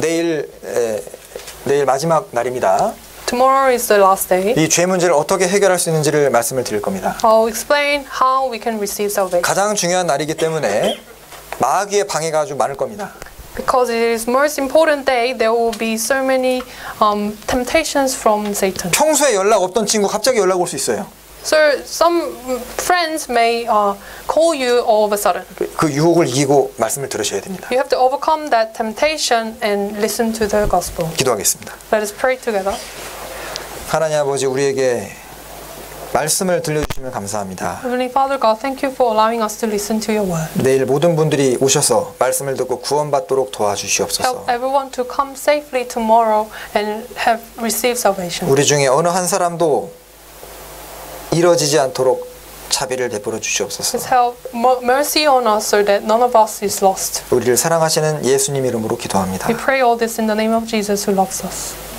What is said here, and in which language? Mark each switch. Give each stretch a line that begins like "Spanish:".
Korean: 내일 마지막 날입니다.
English: Tomorrow is the last day.
Korean: 이 죄 문제를 어떻게 해결할 수 있는지를 말씀을 드릴 겁니다.
English: I'll explain how we can receive salvation.
Korean: 가장 중요한 날이기 때문에 마귀의 방해가 아주 많을 겁니다.
English: Because it is most important day, there will be so many temptations from Satan.
Korean: 평소에 연락 없던 친구 갑자기 연락 올 수 있어요.
English: So some friends may call you all of a sudden.
Korean: 그 유혹을 이기고 말씀을 들으셔야 됩니다.
English: You have to overcome that temptation and listen to the gospel.
Korean: 기도하겠습니다.
English: Let us pray together.
Korean: 하나님 아버지 우리에게 말씀을 들려주시면 감사합니다.
English: Heavenly Father God, thank you for allowing us to listen to your word.
Korean: 내일 모든 분들이 오셔서 말씀을 듣고 구원받도록 도와주시옵소서.
English: Help everyone to come safely tomorrow and have received salvation.
Korean: 우리 중에 어느 한 사람도 이뤄지지 않도록 차비를 베풀어 주시옵소서.
English: Please help mercy on us so that none of us is lost.
Korean: 우리를 사랑하시는 예수님 이름으로 기도합니다.
English: We pray all this in the name of Jesus who loves us.